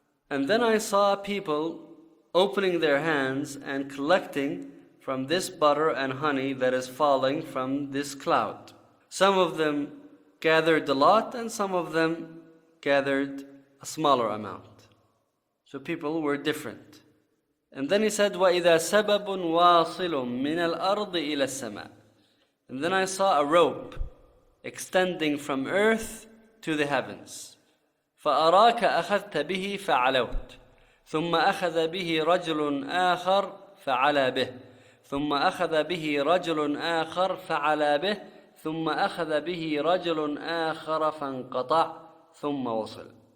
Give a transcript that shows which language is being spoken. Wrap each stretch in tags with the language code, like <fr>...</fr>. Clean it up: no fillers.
<en>And then I saw people opening their hands and collecting from this butter and honey that is falling from this cloud. Some of them gathered a lot and some of them gathered a smaller amount. So people were different. And then he said,</en> <ar>وَإِذَا سَبَبٌ وَاصِلٌ مِنَ الْأَرْضِ إِلَى السَّمَاءِ.</ar> <en>And then I saw a rope extending from earth to the heavens.</en> <ar>فَأَرَاكَ أَخَذْتَ بِهِ فَعَلَوْتَ ثُمَّ أَخَذَ بِهِ رَجُلٌ آخَرٌ فَعَلَى بِهِ ثُمَّ أَخَذَ بِهِ رَجُلٌ آخَرٌ فَعَلَى بِهِ ثُمَّ أَخَذَ بِهِ رَجُلٌ آخَرَ فَانْقَطَعَ ثُمَّ وَصَلَ.</ar>